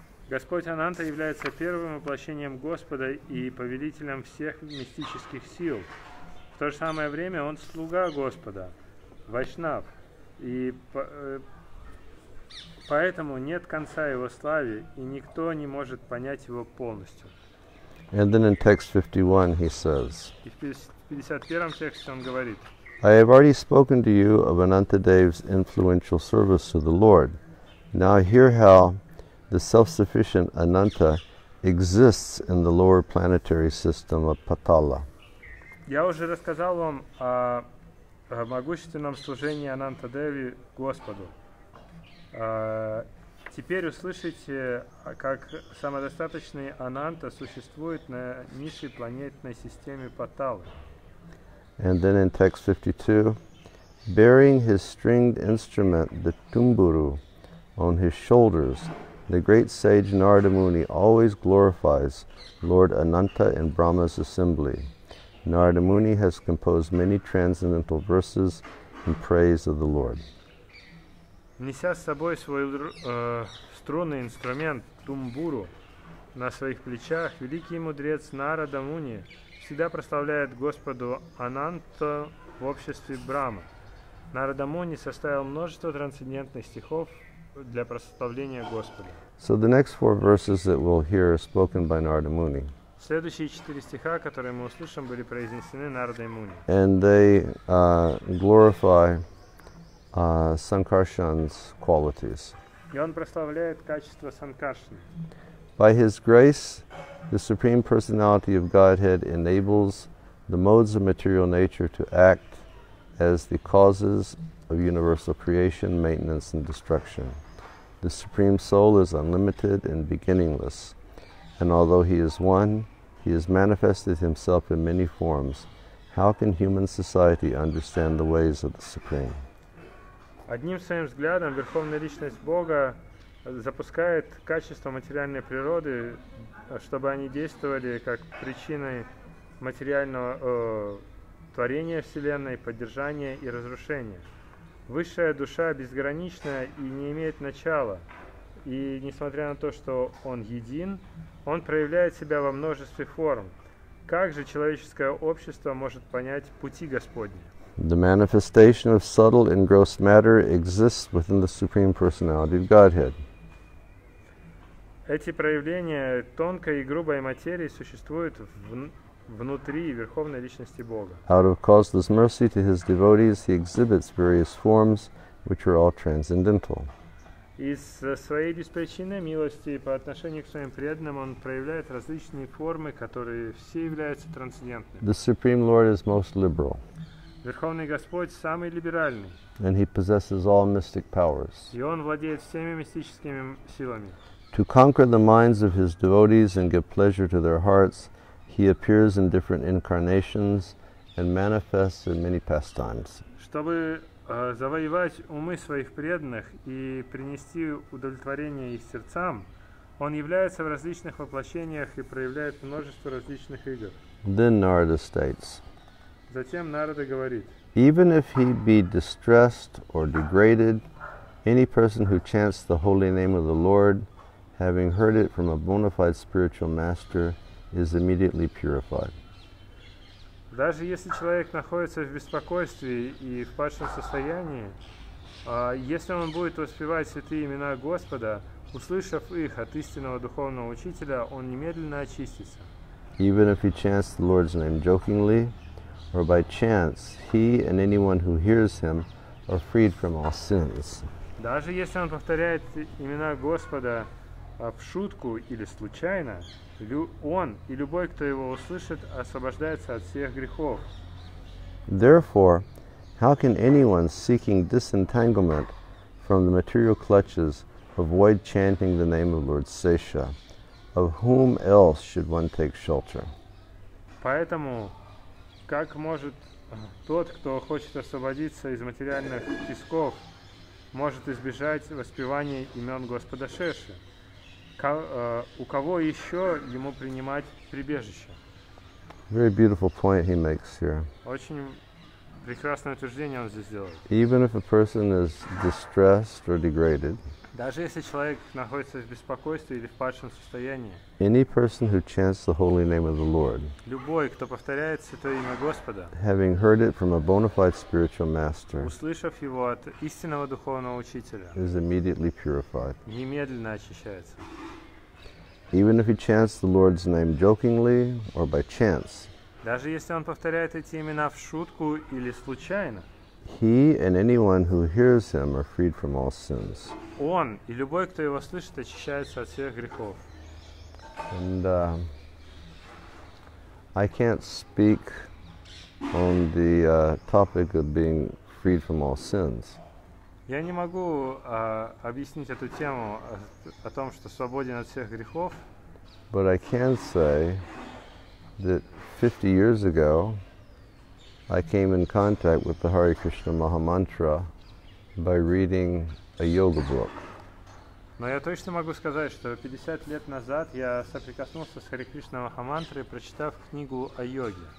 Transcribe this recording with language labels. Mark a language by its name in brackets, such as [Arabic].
[Russian] Господь Ананта является первым воплощением Господа и повелителем всех мистических сил. В то же самое время он слуга Господа, Вайшнав, и поэтому нет конца его славе, и никто не может понять его полностью. [English] And then in text 51 he says, [Russian] и в 51-м тексте он говорит, [English] I have already spoken to you of Anantadev's influential service to the Lord. Now hear how the self-sufficient Ananta exists in the lower planetary system of Patala. [Russian] Я уже рассказал вам о могущественном служении Ананта Деви Господу. Теперь услышите, как самодостаточный Ананта существует на низшей планетной системе Паталы. [English] And then in text 52, bearing his stringed instrument, the Tumburu, on his shoulders, The great sage Narada Muni always glorifies Lord Ananta in Brahma's assembly. Narada Muni has composed many transcendental verses in praise of the Lord. [Russian] Неся с собой свой струнный инструмент тумбуру на своих плечах, великий мудрец Нарада Муни всегда прославляет Господу Ананта в обществе Брама. Нарада Муни составил множество трансцендентных стихов для прославления Господа. [English] So the next four verses that we'll hear are spoken by Narada Muni. [Russian] Следующие четыре стиха, которые мы услышим, были произнесены Нарадой Муни. [English] And they glorify Sankarshan's qualities. [Russian] И он прославляет качество Санкаршаны. [English] By his grace, the Supreme Personality of Godhead enables the modes of material nature to act as the causes of universal creation, maintenance, and destruction. The Supreme Soul is unlimited and beginningless, and although he is one, he has manifested himself in many forms. How can human society understand the ways of the Supreme? [Russian] Одним своим взглядом Верховная Личность Бога запускает качества материальной природы, чтобы они действовали как причиной материального творения Вселенной, поддержания и разрушения. Высшая душа безгранична и не имеет начала. И несмотря на то, что он един, он проявляет себя во множестве форм. Как же человеческое общество может понять пути Господни? [English] The manifestation of subtle and gross matter exists within the Supreme Personality of Godhead. [Russian] Эти проявления тонкой и грубой материи существуют внутри Верховной Личности Бога. [English] Out of causeless mercy to his devotees, he exhibits various forms, which are all transcendental. [Russian] Из своей беспричинной милости по отношению к своим преданным он проявляет различные формы, которые все являются трансцендентными. [English] The Supreme Lord is most liberal. [Russian] Верховный Господь самый либеральный. [English] And he possesses all mystic powers. [Russian] И он владеет всеми мистическими силами. [English] To conquer the minds of his devotees and give pleasure to their hearts, he appears in different incarnations and manifests in many pastimes. [Russian] Чтобы завоевать умы своих преданных и принести удовлетворение их сердцам, он является в различных воплощениях и проявляет множество различных игр. [English] Then Narada states. [Russian] Затем Нарада говорит. [English] Even if he be distressed or degraded, any person who chants the holy name of the Lord, having heard it from a bona fide spiritual master, is immediately purified. [Russian] Даже если человек находится в беспокойстве и в падшем состоянии, если он будет воспевать святые имена Господа, услышав их от истинного духовного учителя, он немедленно очистится. [English] Even if he chants the Lord's name jokingly or by chance, he and anyone who hears him are freed from all sins. [Russian] Даже если он повторяет имена Господа в шутку или случайно, он и любой, кто его услышит, освобождается от всех грехов. [English] Therefore, how can anyone seeking disentanglement from the material clutches avoid chanting the name of Lord Sesha? Of whom else should one take shelter? [Russian] Поэтому, как может тот, кто хочет освободиться из материальных тисков, может избежать воспевания имен Господа Шеши? У кого еще ему принимать прибежище? [English] Very beautiful point he makes here. [Russian] Очень прекрасное утверждение он здесь делает. [English] Even if a person is distressed or degraded, [Russian] даже если человек находится в беспокойстве или в падшем состоянии, [English] any person who chants the holy name of the Lord, [Russian] любой, кто повторяет святое имя Господа, [English] having heard it from a bona fide spiritual master, [Russian] услышав его от истинного духовного учителя, [English] is immediately purified. [Russian] Немедленно очищается. [English] Even if he chants the Lord's name jokingly or by chance, [Russian] даже если он повторяет эти имена в шутку или случайно, [English] he and anyone who hears him are freed from all sins. [Russian] Он и любой, кто его слышит, очищается от всех грехов. [English] And I can't speak on the topic of being freed from all sins. [Russian] Я не могу объяснить эту тему о том, что свободен от всех грехов. [English] But I can say that 50 years ago, I came in contact with the Hare Krishna Maha Mantra by reading a yoga book. [Russian] Но я точно могу сказать, что 50 лет назад я соприкоснулся с Хари Кришна Махамантрой, прочитав книгу о йоге.